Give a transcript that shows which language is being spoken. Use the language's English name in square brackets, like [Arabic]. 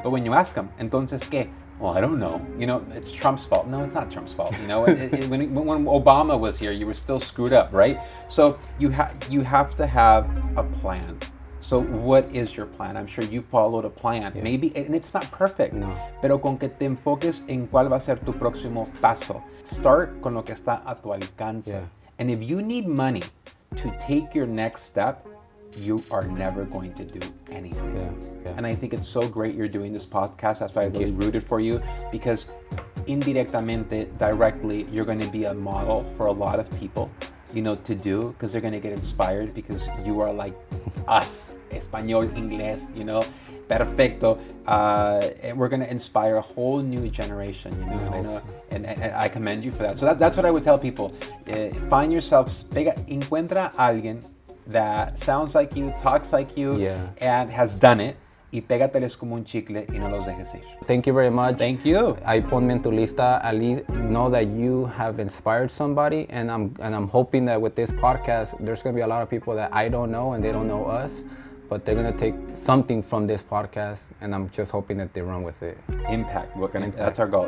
[English] but when you ask them, [Spanish] entonces qué? [English] Well, I don't know. You know, it's Trump's fault. No, it's not Trump's fault. You know, when Obama was here, you were still screwed up, right? So you have to have a plan. So what is your plan? I'm sure you followed a plan. Yeah. Maybe, and it's not perfect. No. [Spanish] Pero con que te enfoques en cuál va a ser tu próximo paso. [English] Start [Spanish] con lo que está a tu alcance. [English] Yeah. And if you need money to take your next step, you are never going to do anything. Yeah. Yeah. And I think it's so great you're doing this podcast. That's why I really rooted for you, because [Spanish] indirectamente, [English] directly, you're going to be a model for a lot of people, you know, to do, because they're going to get inspired because you are like us, [Spanish] Espanol, Inglés, [English] you know, [Spanish] perfecto. [English] And we're going to inspire a whole new generation, you know, nice. I know, and I commend you for that. So that's what I would tell people. Find yourself, [Spanish] encuentra alguien [English] that sounds like you, talks like you, and has done it. [Spanish] Y pégateles como un chicle y no los dejes ir. [English] Thank you very much. Thank you. [Spanish] Ahí ponme en tu lista. [English] At least know that you have inspired somebody. And I'm hoping that with this podcast, there's going to be a lot of people that I don't know and they don't know us. But they're going to take something from this podcast. And I'm just hoping that they run with it. Impact. We're gonna, impact. That's our goal.